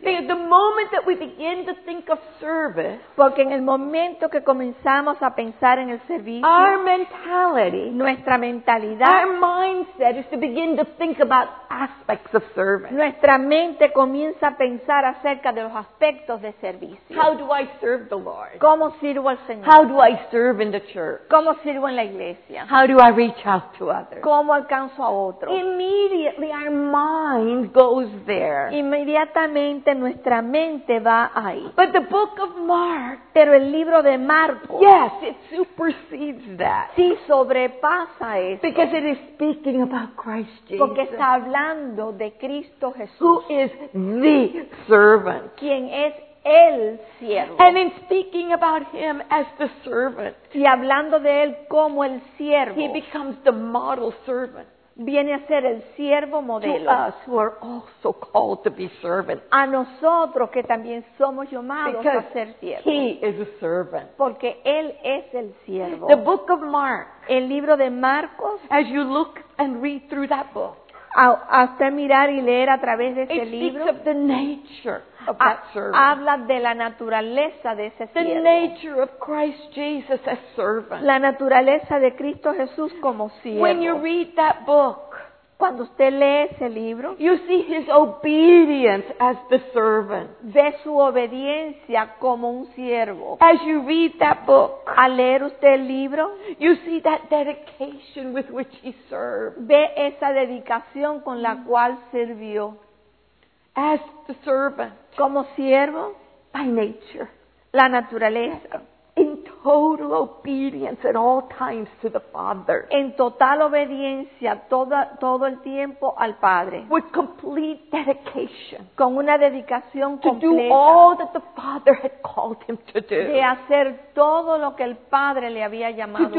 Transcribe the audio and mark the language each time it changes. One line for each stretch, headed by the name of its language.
English: Because the moment that we begin to think of service,
Spanish: porque en el momento que comenzamos a pensar en el servicio,
English: our mentality,
Spanish: nuestra mentalidad,
English: our mindset is to begin to think about aspects of service.
Spanish: Nuestra mente comienza a pensar acerca de los aspectos de servicio.
English: How do I serve the Lord?
Spanish: ¿Cómo sirvo al Señor?
English: How do I serve in the church?
Spanish: ¿Cómo sirvo en la iglesia?
English: How do I reach out to others?
Spanish: ¿Cómo alcanzo a otros?
English: Immediately our minds go there.
Spanish: Inmediatamente nuestra mente va ahí.
English: But the book of Mark,
Spanish: pero el libro de Marcos,
English: yes, it supersedes that.
Spanish: Sí, sobrepasa eso.
English: Because it is speaking about Christ Jesus.
Spanish: Porque está hablando de Cristo Jesús.
English: Who is the servant.
Spanish: Quien es el siervo.
English: And in speaking about him as the servant,
Spanish: y hablando de él como el siervo,
English: he becomes the model servant.
Spanish: Viene a ser el siervo modelo.
English: To us who are also called to be servants.
Spanish: A nosotros que también somos llamados
English: because
Spanish: a ser siervos.
English: He is a servant.
Spanish: Porque él es el siervo.
English: The book of Mark.
Spanish: El libro de Marcos.
English: As you look and read through that book.
Spanish: A usted mirar y leer a través de ese
English: it
Spanish: libro.
English: It speaks of the nature of that servant.
Spanish: Habla de la naturaleza de ese siervo.
English: The nature of Christ Jesus as servant.
Spanish: La naturaleza de Cristo Jesús como siervo.
English: When you read that book,
Spanish: cuando usted lee ese libro,
English: you see his obedience as the servant.
Spanish: Ve su obediencia como un siervo.
English: As you read that book,
Spanish: al leer usted el libro,
English: you see that dedication with which he served.
Spanish: Ve esa dedicación con la cual sirvió.
English: As the servant,
Spanish: como siervo,
English: by nature,
Spanish: la naturaleza.
English: In total obedience at all times to the Father.
Spanish: En total obediencia todo el tiempo al Padre.
English: With complete dedication.
Spanish: Con una dedicación completa.
English: To do all that the Father had called him to do.
Spanish: De hacer todo lo que el Padre le había llamado a hacer.